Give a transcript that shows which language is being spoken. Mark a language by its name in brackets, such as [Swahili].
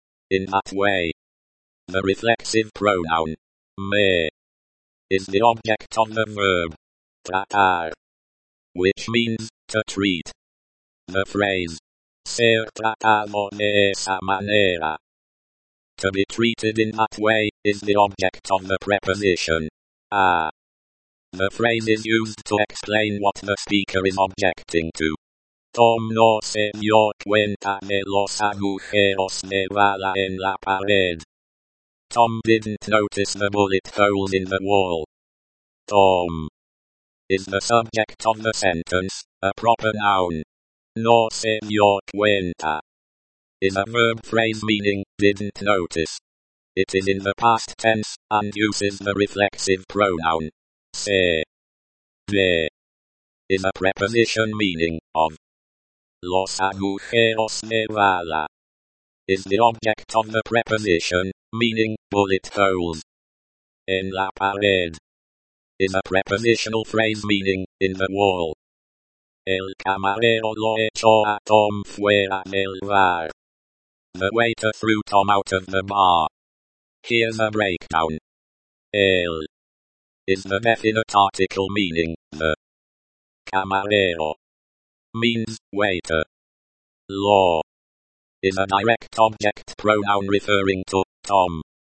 [English] In that way, the reflexive pronoun, me, is the object of the verb, tratar, which means to treat. The phrase, [Spanish] ser tratado de esa manera, [English] to be treated in that way, is the object of the preposition, a. The phrase is used to explain what the speaker is objecting to. [Spanish] Tom no se dio cuenta de los agujeros de bala en la pared. [English] Tom didn't notice the bullet holes in the wall. Tom is the subject of the sentence, a proper noun. [Spanish] No se dio cuenta [English] is a verb phrase meaning, didn't notice. It is in the past tense, and uses the reflexive pronoun, se. De is a preposition meaning, of. [Spanish] Los agujeros de bala [English] is the object of the preposition, meaning, bullet holes. [Spanish] En la pared [English] is a prepositional phrase meaning, in the wall. [Spanish] El camarero lo echó a Tom fuera del bar. [English] The waiter threw Tom out of the bar. Here's a breakdown. El is the definite article meaning, the. Camarero means, waiter. Lo is a direct object pronoun referring to, Tom.